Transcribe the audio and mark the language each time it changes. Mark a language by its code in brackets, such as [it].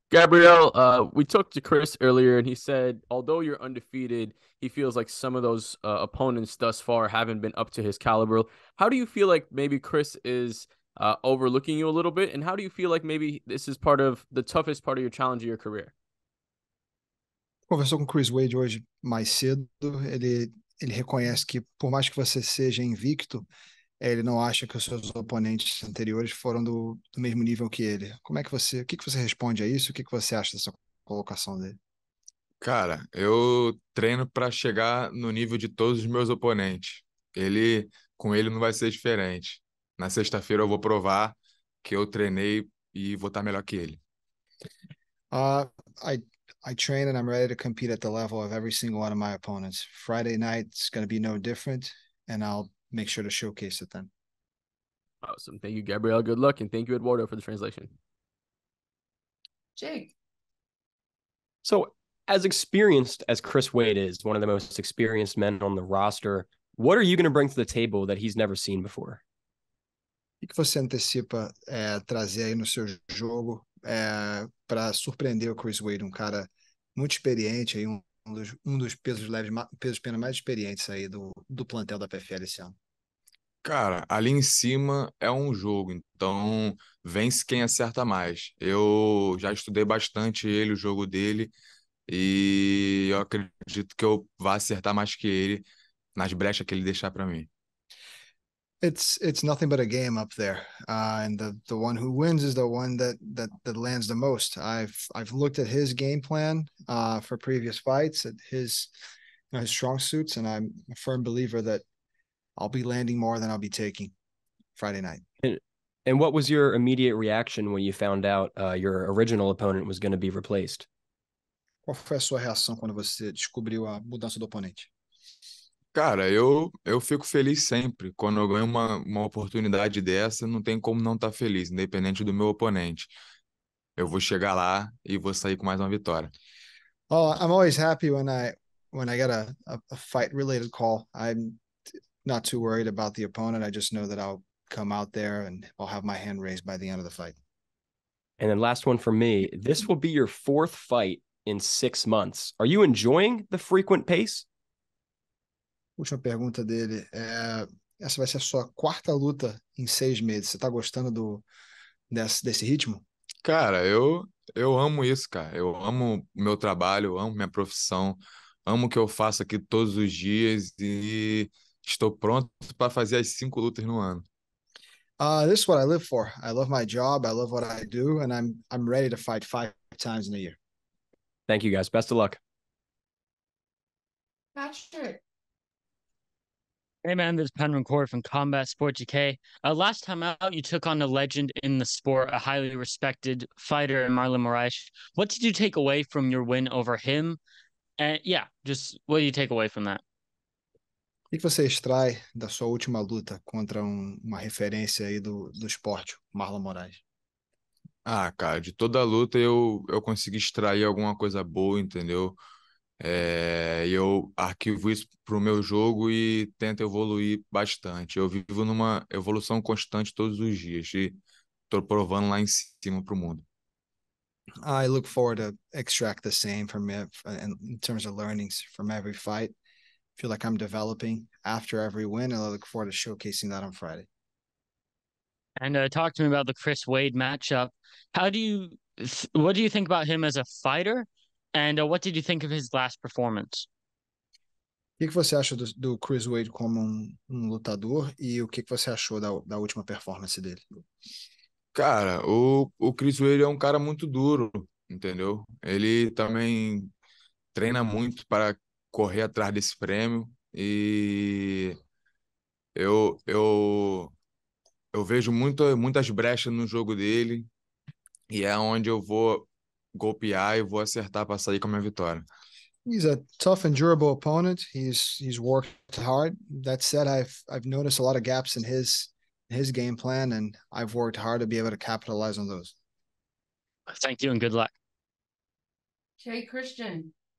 [en] Gabriel, we talked to Chris earlier, and he said, although you're undefeated, he feels like some of those opponents thus far haven't been up to his caliber. How do you feel like maybe Chris is overlooking you a little bit, and how do you feel like maybe this is part of the toughest part of your challenge of your career? [pt] Conversou com o Chris Wade hoje mais cedo. Ele reconhece que, por mais que você seja invicto, ele não acha que os seus oponentes anteriores foram do mesmo nível que ele. Como é que você, o que que você responde a isso? O que que você acha dessa colocação dele? Cara, eu treino para chegar no nível de todos os meus oponentes. Com ele não vai ser diferente. Na sexta-feira eu vou provar que eu treinei e vou estar melhor que ele. [en] I train and I'm ready to compete at the level of every single one of my opponents. Friday night's going to be no different, and I'll make sure to showcase it then. Awesome. Thank you, Gabrielle. Good luck, and thank you, Eduardo, for the translation. Jake. So, as experienced as Chris Wade is, one of the most experienced men on the roster, what are you going to bring to the table that he's never seen before? [pt] O que você antecipa trazer aí no seu jogo para surpreender o Chris Wade, um cara muito experiente, aí um dos pesos leves, pesos pena mais experientes aí do plantel da PFL esse ano. Cara, ali em cima é um jogo, então vence quem acerta mais. Eu já estudei bastante ele, o jogo dele, e eu acredito que eu vá acertar mais que ele nas brechas que ele deixar para mim. [en] It's nothing but a game up there, and the one who wins is the one that lands the most. I've looked at his game plan for previous fights, at his strong suits, and I'm a firm believer that I'll be landing more than I'll be taking Friday night. And what was your immediate reaction when you found out your original opponent was going to be replaced? [pt] Qual foi a sua reação quando você descobriu a mudança do oponente? Cara, eu fico feliz sempre. Quando eu ganho uma oportunidade dessa, não tem como não estar feliz, independente do meu oponente. Eu vou chegar lá e vou sair com mais uma vitória. [en] Oh, I'm always happy when I get a fight related call. I'm not too worried about the opponent. I just know that I'll come out there and I'll have my hand raised by the end of the fight. And then last one for me. This will be your fourth fight in 6 months. Are you enjoying the frequent pace? [pt] Última pergunta dele é, essa vai ser a sua quarta luta em 6 meses. Você está gostando desse ritmo? Cara, eu amo isso, cara. Eu amo meu trabalho, amo minha profissão, amo o que eu faço aqui todos os dias e estou pronto para fazer as 5 lutas no ano. [en] This is what I live for. I love my job. I love what I do, and I'm ready to fight 5 times in a year. Thank you guys. Best of luck. Patrick. Hey man, this is Penryn Cord from Combat Sport GK. Last time out, you took on a legend in the sport, a highly respected fighter in Marlon Moraes. What did you take away from your win over him? And yeah, just what do you take away from that? [pt] O que você extrai da sua última luta contra uma referência aí do esporte, Marlon Moraes? Ah, cara, de toda a luta eu consegui extrair alguma coisa boa, entendeu? Eu arquivo isso pro meu jogo e tento evoluir bastante. Eu vivo numa evolução constante todos os dias e tô provando lá em cima pro mundo. [en] I look forward to extract the same from it in terms of learnings from every fight. Feel like I'm developing after every win, and I look forward to showcasing that on Friday. And talk to me about the Chris Wade matchup. What do you think about him as a fighter? And what did you think of his last performance? [pt] O que você acha do Chris Wade como um lutador e o que você achou da última performance dele? Cara, o Chris Wade é um cara muito duro, entendeu? Ele também treina muito para correr atrás desse prêmio e eu vejo muitas brechas no jogo dele e é onde eu vou golpear e vou acertar para sair com a minha vitória. [en] He's a tough and durable opponent. He's worked hard. That said, I've noticed a lot of gaps in his game plan, and I've worked hard to be able to capitalize on those. Thank you and good luck. Jay Christian.